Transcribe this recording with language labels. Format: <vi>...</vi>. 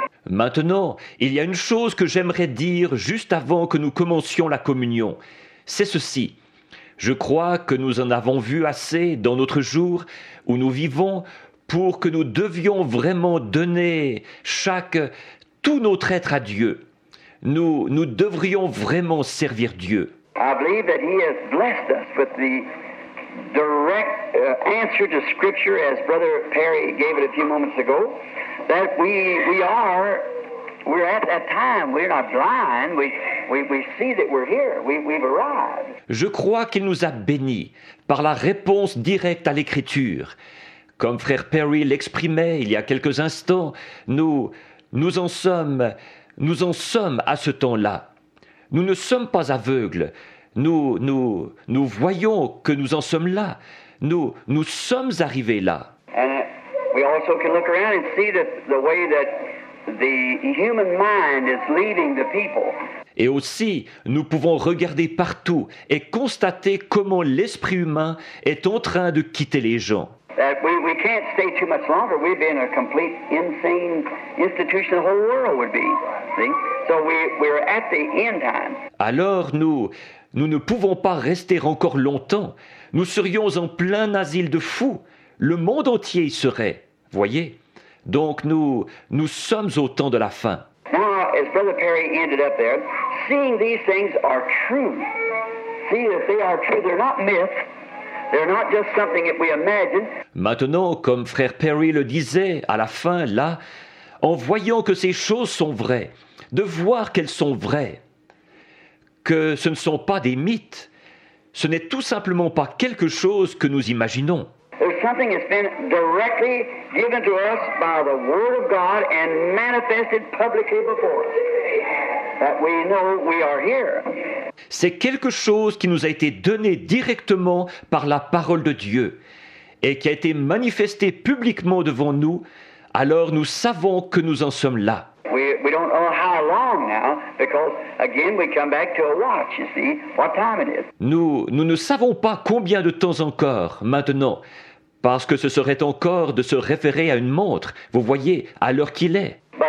<fr>Maintenant, il y a une chose que j'aimerais dire juste avant que nous commencions la communion. C'est ceci. Je crois que nous en avons vu assez dans notre jour où nous vivons pour que nous devions vraiment donner tout notre être à Dieu. Nous devrions vraiment servir Dieu.</fr> <en>I believe that He has blessed us with the direct answer to Scripture, as Brother Perry gave it a few moments ago. That we're at that time. We're not blind. We see that we're here. We've arrived.</en> <fr>Je crois qu'il nous a bénis par la réponse directe à l'Écriture. Comme Frère Perry l'exprimait il y a quelques instants, nous en sommes à ce temps-là. Nous ne sommes pas aveugles. Nous voyons que nous en sommes là. Nous sommes arrivés là.</fr> <en>And we also can look around and see that the way that the human mind is leading the people.</en> <fr>Et aussi, nous pouvons regarder partout et constater comment l'esprit humain est en train de quitter les gens.</fr> <en>That we can't stay too much longer. We've been a complete insane institution. The whole world would be. See? So we're at the end time.</en> <fr>Alors nous ne pouvons pas rester encore longtemps. Nous serions en plein asile de fous. Le monde entier y serait. Voyez. Donc nous sommes au temps de la fin.</fr> <en>Now, as Brother Perry ended up there, seeing these things are true. See that they are true. They're not myths. They're not just something that we imagine.</en> <fr>Maintenant, comme Frère Perry le disait à la fin, là, en voyant que ces choses sont vraies, de voir qu'elles sont vraies, que ce ne sont pas des mythes, ce n'est tout simplement pas quelque chose que nous imaginons.</fr> <en>There's something that's been directly given to us by the Word of God and manifested publicly before us. That we know we are here.</en> <fr>C'est quelque chose qui nous a été donné directement par la parole de Dieu et qui a été manifesté publiquement devant nous, alors nous savons que nous en sommes là.</fr> <en>We don't know how long now, because again we come back to a watch, you see, what time it is.</en> <fr>Nous ne savons pas combien de temps encore maintenant, parce que ce serait encore de se référer à une montre, vous voyez, à l'heure qu'il est.</fr>